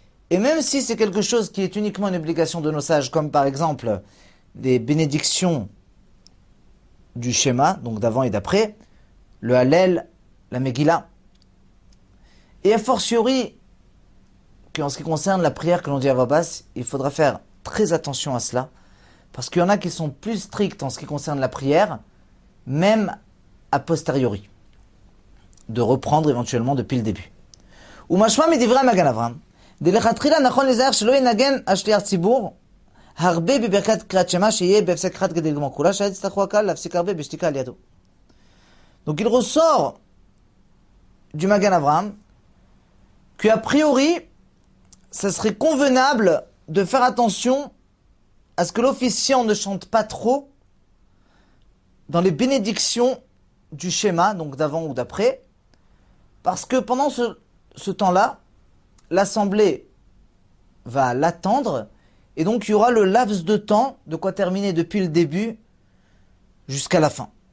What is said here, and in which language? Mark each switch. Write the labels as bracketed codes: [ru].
[fr] Et même si c'est quelque chose qui est uniquement une obligation de nos sages, comme par exemple les bénédictions du schéma, donc d'avant et d'après, le Hallel, la Megillah, et a fortiori, qu'en ce qui concerne la prière que l'on dit à voix basse, il faudra faire très attention à cela, parce qu'il y en a qui sont plus stricts en ce qui concerne la prière, même a posteriori, de reprendre éventuellement depuis le début. [he] Ou machma me divra Magen Avraham. דלכתחילה נכון לזהר שלא ינגן השליח ציבור הרבה בברכת קריאת שמה שיהיה בהפסק אחד כדי לגמור כולה שהיה יצטרכו הקהל להפסיק הרבה בשתיקה על ידו. [fr] Donc il ressort du Magen Avraham qu'a priori ça serait convenable de faire attention à ce que l'officiant ne chante pas trop dans les bénédictions du schéma, donc d'avant ou d'après, parce que pendant ce temps-là, l'assemblée va l'attendre et donc il y aura le laps de temps de quoi terminer depuis le début jusqu'à la fin.